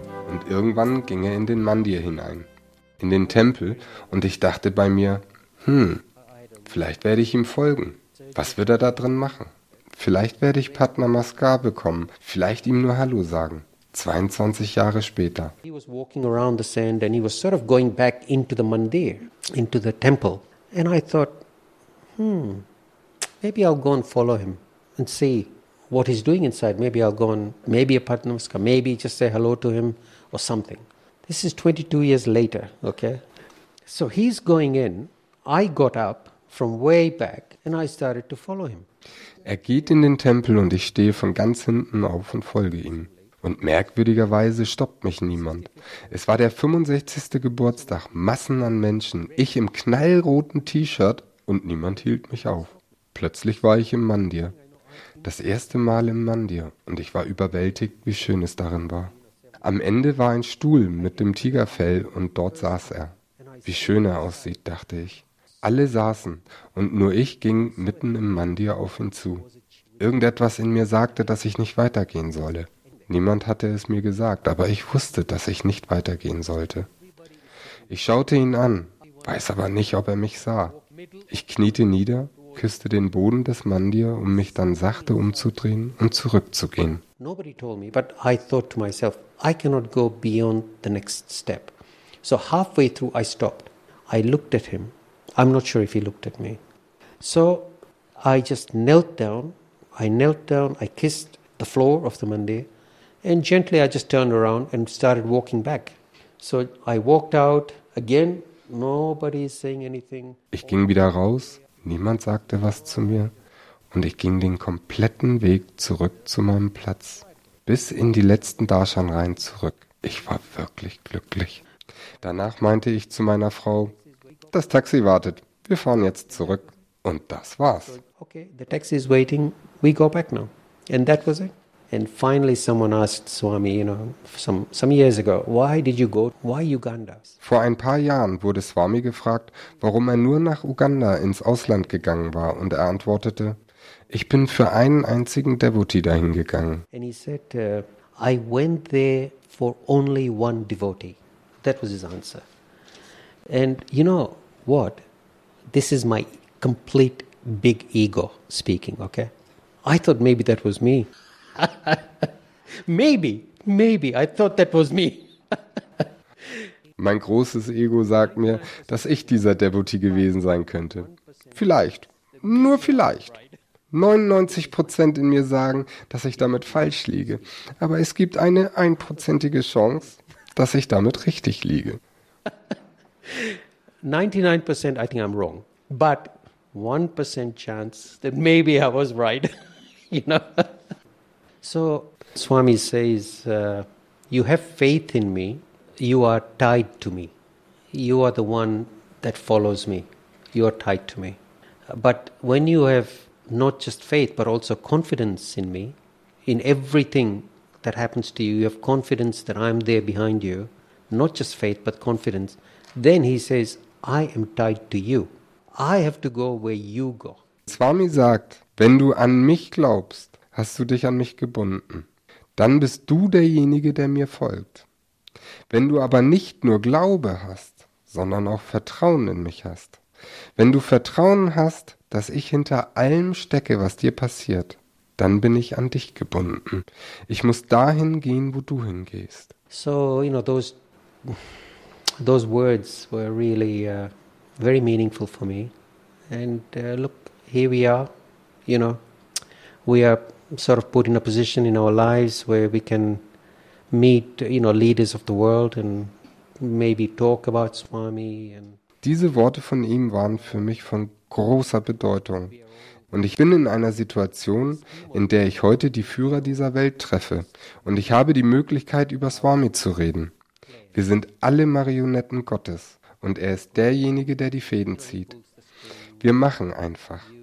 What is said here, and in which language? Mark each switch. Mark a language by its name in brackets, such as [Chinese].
[German] Und irgendwann ging er in den Mandir hinein, in den Tempel, und ich dachte bei mir, vielleicht werde ich ihm folgen. Was wird er da drin machen? Vielleicht werde ich Padma Maskar bekommen, vielleicht ihm nur Hallo sagen. 22 Jahre später. [English] He was walking around the sand and he was sort of going back into the mandir, into the temple. And I thought, maybe I'll go and follow him and see what he's doing inside. Maybe I'll go and maybe a patnamaskar, maybe just say hello to him or something. This is 22 years later, okay? So he's going in. I got up from way back and I started to follow him. [German] Er geht in den Tempel und ich stehe von ganz hinten auf und folge ihm. Und merkwürdigerweise stoppt mich niemand. Es war der 65. Geburtstag, Massen an Menschen, ich im knallroten T-Shirt und niemand hielt mich auf. Plötzlich war ich im Mandir. Das erste Mal im Mandir und ich war überwältigt, wie schön es darin war. Am Ende war ein Stuhl mit dem Tigerfell und dort saß er. Wie schön er aussieht, dachte ich. Alle saßen und nur ich ging mitten im Mandir auf ihn zu. Irgendetwas in mir sagte, dass ich nicht weitergehen solle. Niemand hatte es mir gesagt, aber ich wusste, dass ich nicht weitergehen sollte. Ich schaute ihn an, weiß aber nicht, ob er mich sah. Ich kniete nieder, küsste den Boden des Mandir, um mich dann sachte umzudrehen und zurückzugehen. [English] Nobody told me, but I thought to myself, I cannot go beyond the next step. So halfway through I stopped. I looked at him. I'm not sure if he looked at me. So I just knelt down. I knelt down, I kissed the floor of the mandir. And gently I just turned around and started walking back. So I walked out again, nobody is saying anything. [German] Ich ging wieder raus, niemand sagte was zu mir und ich ging den kompletten Weg zurück zu meinem Platz, bis in die letzten Darshan-Reihen zurück. Ich war wirklich glücklich. Danach meinte ich zu meiner Frau, das Taxi wartet, wir fahren jetzt zurück. Und das war's. [English] Okay, the taxi is waiting, we go back now. And that was it. And finally someone asked Swami, you know, some years ago, why did you go, why Uganda? [German] Vor ein paar Jahren wurde Swami gefragt, warum er nur nach Uganda ins Ausland gegangen war, und er antwortete, ich bin für einen einzigen Devotee dahin gegangen. [English] And he said, I went there for only one devotee. That was his answer. And you know what? This is my complete big ego speaking, okay? I thought maybe that was me. Maybe, I thought that was me. [German] Mein großes Ego sagt mir, dass ich dieser Devotee gewesen sein könnte. Vielleicht, nur vielleicht. 99% in mir sagen, dass ich damit falsch liege. Aber es gibt eine 1%ige Chance, dass ich damit richtig liege. [English] 99% I think I'm wrong. But 1% chance that maybe I was right, you know. So Swami says, you have faith in me, you are tied to me. You are the one that follows me, you are tied to me. But when you have not just faith, but also confidence in me, in everything that happens to you, you have confidence that I'm there behind you, not just faith, but confidence, then he says, I am tied to you. I have to go where you go. [German] Swami sagt, wenn du an mich glaubst, hast du dich an mich gebunden. Dann bist du derjenige, der mir folgt. Wenn du aber nicht nur Glaube hast, sondern auch Vertrauen in mich hast. Wenn du Vertrauen hast, dass ich hinter allem stecke, was dir passiert, dann bin ich an dich gebunden. Ich muss dahin gehen, wo du hingehst. [English] So, you know, those words were really very meaningful for me. And look, here we are, you know, we are sort of put in a position in our lives where we can meet, you know, leaders of the world and maybe talk about Swami. And [German] diese Worte von ihm waren für mich von großer Bedeutung. Und ich bin in einer Situation, in der ich heute die Führer dieser Welt treffe. Und ich habe die Möglichkeit, über Swami zu reden. Wir sind alle Marionetten Gottes. Und er ist derjenige, der die Fäden zieht. Wir machen einfach.